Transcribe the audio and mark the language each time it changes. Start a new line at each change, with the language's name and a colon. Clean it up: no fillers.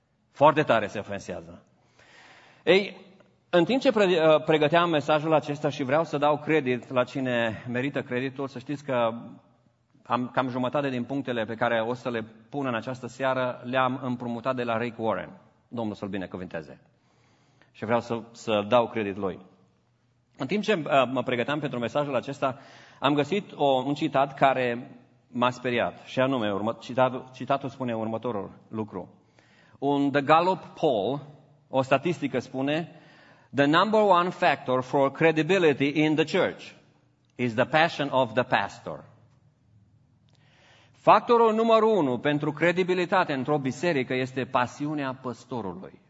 Romanian: Foarte tare se ofensează. Ei, în timp ce pregăteam mesajul acesta și vreau să dau credit la cine merită creditul, să știți că am cam jumătate din punctele pe care o să le pun în această seară, le-am împrumutat de la Rick Warren. Domnul să-l binecuvinteze. Și vreau să dau credit lui. În timp ce mă pregăteam pentru mesajul acesta, am găsit un citat care m-a speriat. Și anume, citatul spune următorul lucru.
English: Un The Gallup Poll,
Romanian: o statistică spune,
English: the number one factor for credibility in the church is the passion of the pastor.
Romanian: Factorul numărul unu pentru credibilitate într-o biserică este pasiunea păstorului.